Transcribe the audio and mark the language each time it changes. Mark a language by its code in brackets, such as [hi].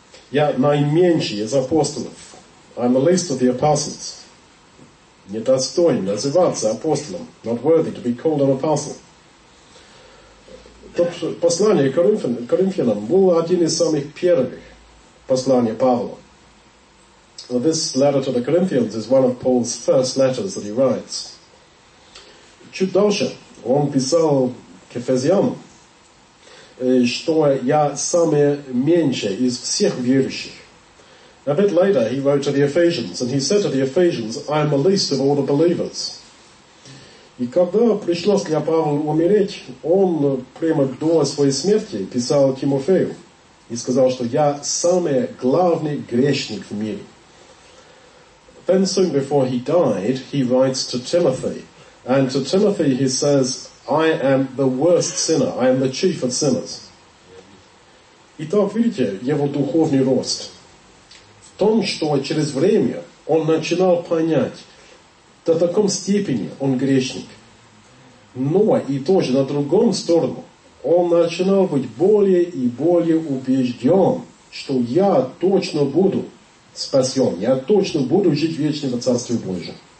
[ru] Я наименьший из апостолов. [en] I'm the least of the apostles. [ru] Недостоин называться апостолом. [en] Not worthy to be called an apostle. [ru] Тут послание Коринфянам было один из самых первых посланий Павла. [en] So this letter to the Corinthians is one of Paul's first letters that he writes. [ru] Чуть дальше он писал к Ефезянам, что я самый меньший из всех верующих. [en] A bit later he wrote to the Ephesians, and he said to the Ephesians, I am the least of all the believers. [ru] И когда пришлось для Павла умереть, он прямо до своей смерти писал Тимофею и сказал, что я самый главный грешник в мире. [en] Then soon before he died, he writes to Timothy. And to Timothy he says, I am the worst sinner. I am the chief of sinners. [ru] Итак, видите, его духовный рост. В том, что через время он начинал понять, до такой степени он грешник. Но и тоже на другом сторону он начинал быть более и более убежден, что я точно буду спасен, я точно буду жить вечно во Царстве Божьем.